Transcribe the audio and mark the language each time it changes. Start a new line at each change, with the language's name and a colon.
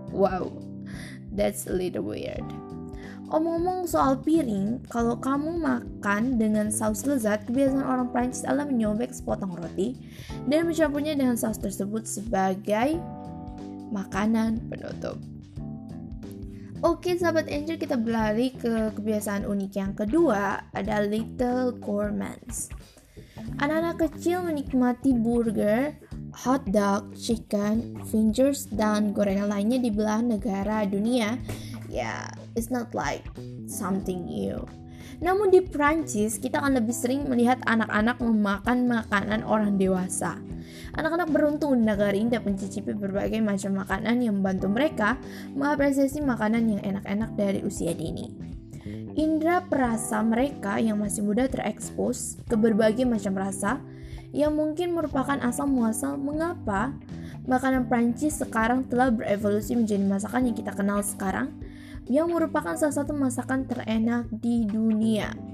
English: Wow, that's a little weird.
Indonesian: Omong-omong soal piring, kalau kamu makan dengan saus lezat, kebiasaan orang Prancis adalah menyobek sepotong roti dan mencampurnya dengan saus tersebut sebagai makanan penutup. Oke, sahabat Angel, kita berlari ke kebiasaan unik yang kedua, ada Little Gourmands. Anak-anak kecil menikmati burger, hot dog, chicken, fingers, dan gorengan lainnya di belahan negara dunia.
English: Yeah, it's not like something new.
Indonesian: Namun di Prancis, kita akan lebih sering melihat anak-anak memakan makanan orang dewasa. Anak-anak beruntung di negara ini dapat mencicipi berbagai macam makanan yang membantu mereka mengapresiasi makanan yang enak-enak dari usia dini. Indra perasa mereka yang masih muda terekspos ke berbagai macam rasa yang mungkin merupakan asal-muasal mengapa makanan Prancis sekarang telah berevolusi menjadi masakan yang kita kenal sekarang yang merupakan salah satu masakan terenak di dunia.